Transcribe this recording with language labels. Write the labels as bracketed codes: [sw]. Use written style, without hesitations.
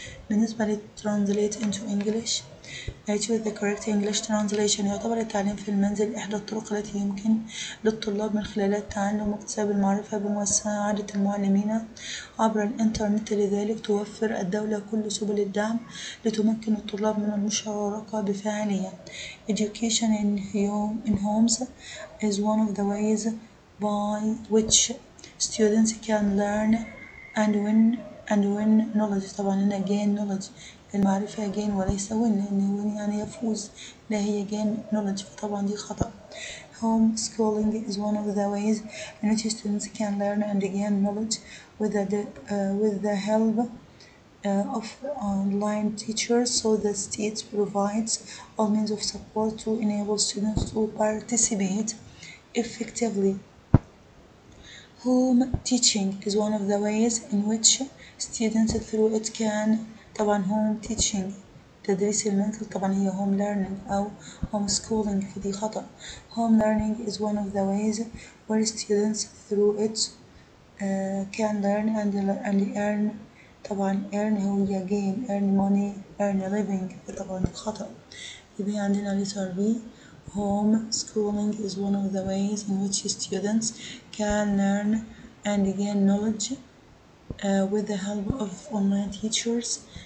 [ar] بالنسبة لـ [en] translate into English، achieve the correct English translation، [ar] يعتبر التعليم في المنزل إحدى الطرق التي يمكن للطلاب من خلالها التعلم واكتساب المعرفة بمساعدة المعلمين عبر الإنترنت. لذلك توفر الدولة كل سبل الدعم لتمكن الطلاب من المشاركة بفاعلية. [en] Education in homes is one of the ways by which students can learn and win knowledge. [ar] طبعا هنا [en] gain knowledge، [ar] المعرفة gain وليس win، لأن win يعني يفوز، لا هي gain knowledge، فطبعا دي خطأ. [en] Home schooling is one of the ways in which students can learn and gain knowledge with the help of online teachers. So the state provides all means of support to enable students to participate effectively. Home teaching is one of the ways in which students through it can. [ar] طبعا [en] home teaching، [ar] تدريس المنزل، طبعا هي [en] home learning [ar] أو [en] home schooling، [ar] في دي خطأ. [en] Home learning is one of the ways where students through it can learn and earn. طبعا earn هو gain، earn money، earn a living، [ar] طبعا خطأ. يبقى عندنا letter B. [en] Home schooling is one of the ways in which students can learn and gain knowledge with the help of online teachers.